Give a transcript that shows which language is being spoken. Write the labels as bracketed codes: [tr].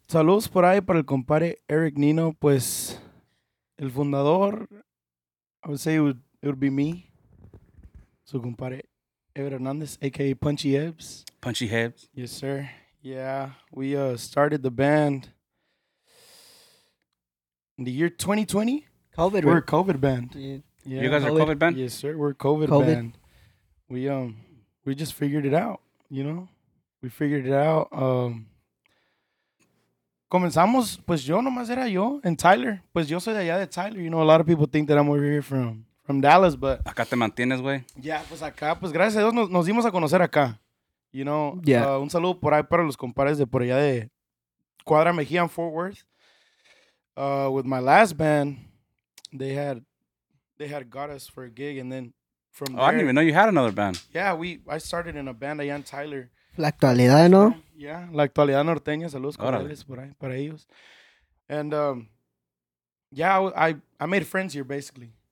[es] Saludos por ahí para el compadre Eric Nino. Pues, el fundador, [en] I would say it would be me. [es] Su compadre, Ever Hernández, a.k.a. Punchy Ebbs. Punchy Ebbs. [en] Yes, sir. Yeah, we started the band in the year 2020. COVID. We're a COVID band. Yeah. You guys are a COVID band? Yes, sir. We're a COVID band. We just figured it out, you know? We figured it out. [es] Comenzamos, pues yo nomás era yo, [en] and [es] Tyler. Pues yo soy de allá de Tyler. [en] You know, a lot of people think that I'm over here from Dallas, but... [es] Acá te mantienes, güey. [en] Yeah, [es] pues acá. Pues gracias a Dios nos dimos a conocer acá. [en] You know? Yeah. [es] Un saludo por ahí para los compares de por allá de Cuadra Mejía en Fort Worth. [en] With my last band, they had got us for a gig, and then... From I didn't even know you had another band. Yeah, I started in a band, Ian Tyler. [es] La Actualidad, ¿no? Yeah, La Actualidad Norteña. Saludos, cordiales por ahí, para ellos. [en] And, I made friends here, basically.